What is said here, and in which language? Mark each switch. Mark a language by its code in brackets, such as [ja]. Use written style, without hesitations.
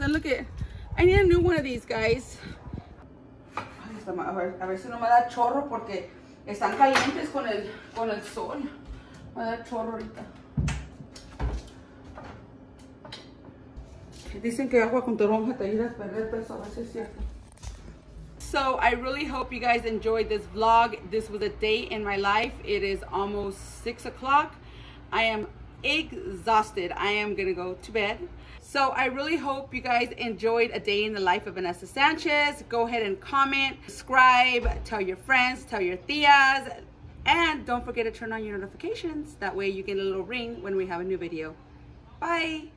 [en] And look at, I need a new one of these, guys. [es] A ver si no me da chorro porque están calientes con el sol. Me da chorro ahorita. Dicen que agua con toronja te ayuda a perder peso, a ver si es cierto. [en] So I really hope you guys enjoyed this vlog. This was a day in my life. It is almost 6 o'clock. I am exhausted. I am gonna go to bed. So I really hope you guys enjoyed a day in the life of Vanessa Sanchez. Go ahead and comment, subscribe, tell your friends, tell your tias, and don't forget to turn on your notifications. That way you get a little ring when we have a new video. Bye.